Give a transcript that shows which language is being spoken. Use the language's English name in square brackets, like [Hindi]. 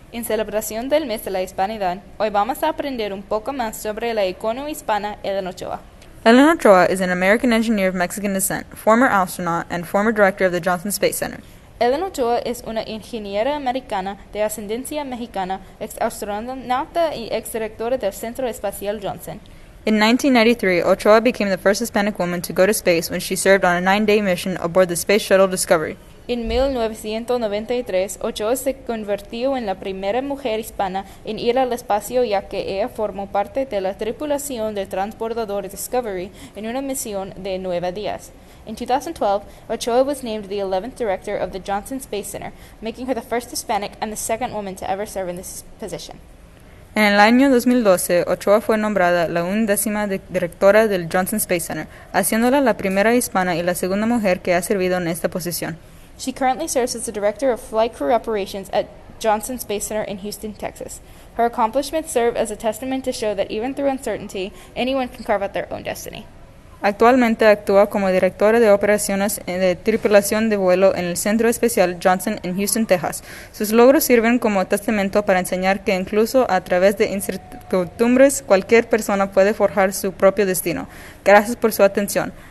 [Spanish] En celebración del mes de la Hispanidad, hoy vamos a aprender un poco más sobre la icono hispana Ellen Ochoa. [English] Ellen Ochoa is an American engineer of Mexican descent, former astronaut, and former director of the Johnson Space Center. [Spanish] Ellen Ochoa es una ingeniera americana de ascendencia mexicana, ex astronauta y ex directora del Centro Espacial Johnson. [English] In 1993, Ochoa became the first Hispanic woman to go to space when she served on a 9-day mission aboard the Space Shuttle Discovery. [Spanish] En 1993, Ochoa se convirtió en la primera mujer hispana en ir al espacio ya que ella formó parte de la tripulación del transbordador Discovery en una misión de 9 días. [English] In 2012, Ochoa was named the 11th director of the Johnson Space Center, making her the first Hispanic and the second woman to ever serve in this position. [Spanish] En el año 2012, Ochoa fue nombrada la undécima directora del Johnson Space Center, haciéndola la primera hispana y la segunda mujer que ha servido en esta posición. [English] She currently serves as the director of flight crew operations at Johnson Space Center in Houston, Texas. Her accomplishments serve as a testament to show that even through uncertainty, anyone can carve out their own destiny. [Spanish] Actualmente actúa como directora de operaciones de tripulación de vuelo en el Centro Espacial Johnson en Houston, Texas. Sus logros sirven como testamento para enseñar que incluso a través de incertidumbres, cualquier persona puede forjar su propio destino. Gracias por su atención.